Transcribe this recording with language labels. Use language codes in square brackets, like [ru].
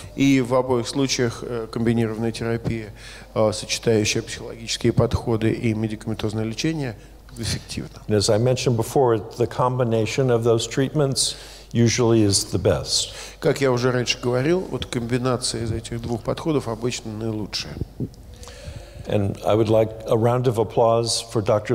[ru] И в обоих случаях комбинированная терапия, сочетающая психологические подходы и медикаментозное лечение, эффективна. [en] And as I mentioned before, the combination of those treatments usually is the best. [ru] Как я уже раньше говорил, вот комбинация из этих двух подходов обычно наилучшая. [en] And I would like a round of applause for Dr.